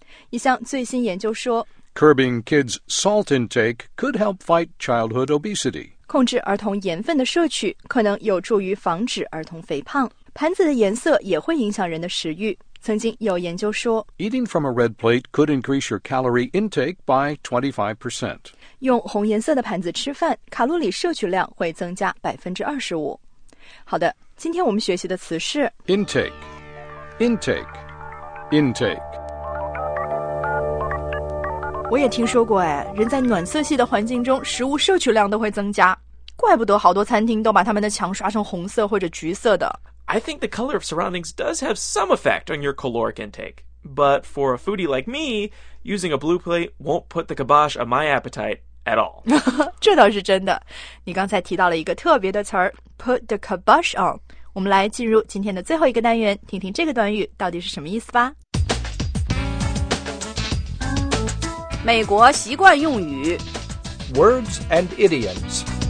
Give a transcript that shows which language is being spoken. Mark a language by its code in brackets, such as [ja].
[zh] 一项最新研究说 [en] Curbing kids' salt intake could help fight childhood obesity. [zh] 控制儿童盐分的摄取可能有助于防止儿童肥胖。盘子的颜色也会影响人的食欲。曾经有研究说 [en] Eating from a red plate could increase your calorie intake by 25%. [zh] 用红颜色的盘子吃饭，卡路里摄取量会增加25%。好的，今天我们学习的词是 [en] Intake, intake, intake. [zh] 我也听说过哎，人在暖色系的环境中，食物摄取量都会增加，怪不得好多餐厅都把他们的墙刷成红色或者橘色的。 [en] I think the color of surroundings does have some effect on your caloric intake, but for a foodie like me, using a blue plate won't put the kibosh on my appetite at all. [zh] 这倒是真的。你刚才提到了一个特别的词儿 ， [en] put the kibosh on。 [zh] 我们来进入今天的最后一个单元，听听这个短语到底是什么意思吧。美国习惯用语 [en] Words and idioms